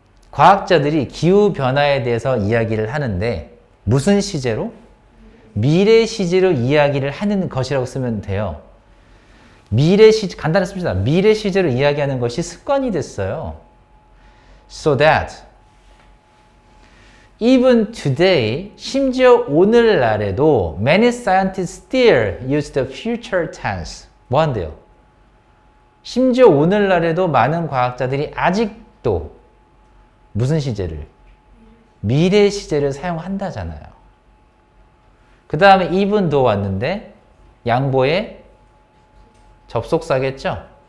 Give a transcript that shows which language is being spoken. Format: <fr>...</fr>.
<ko>과학자들이 기후 변화에 대해서 이야기를 하는데 무슨 시제로? 미래 시제로 이야기를 하는 것이라고 쓰면 돼요. 미래 시제, 간단히 씁시다. 미래 시제로 이야기하는 것이 습관이 됐어요.</ko> <en>So that, even today,</en> <ko>심지어 오늘날에도</ko> <en>many scientists still use the future tense.</en> <ko>뭐 한대요? 심지어 오늘날에도 많은 과학자들이 아직도 무슨 시제를? 미래 시제를 사용한다잖아요. 그 다음에</ko> <en>even though</en> <ko>왔는데 양보에 접속사겠죠?</ko>